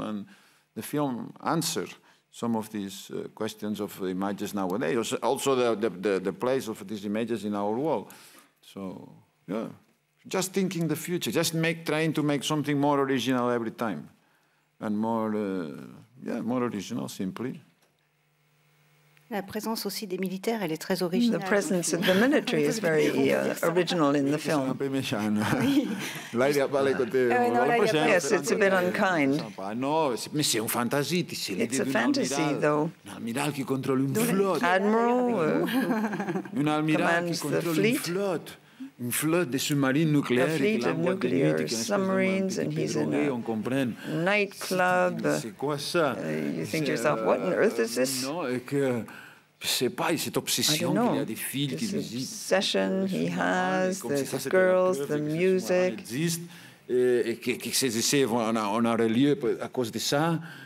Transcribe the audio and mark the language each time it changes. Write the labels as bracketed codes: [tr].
[en] And the film answers some of these questions of images nowadays, also the place of these images in our world. So, yeah, just thinking the future, just trying to make something more original every time, and more, more original, simply. [fr] La présence aussi des militaires, elle est très originale. [en] The presence of the military is very original in the film. Yes, it's a bit unkind. [fr] No, mais c'est une fantaisie. [en] It's a fantasy, though. [fr] Un amiral qui contrôle une flotte. [en] Admiral. [fr] Un amiral qui contrôle une flotte. Une flotte de sous-marins nucléaires. [en] A fleet of nuclear submarines, and he's in a nightclub. [fr] C'est quoi ça? [en] You think to yourself, what on earth is this? [fr] Non, et que c'est pas, cette obsession qu'il y a des filles qui visitent. [en] This obsession he has, the girls, the music. [fr] Et que ces essais vont avoir lieu à cause de ça.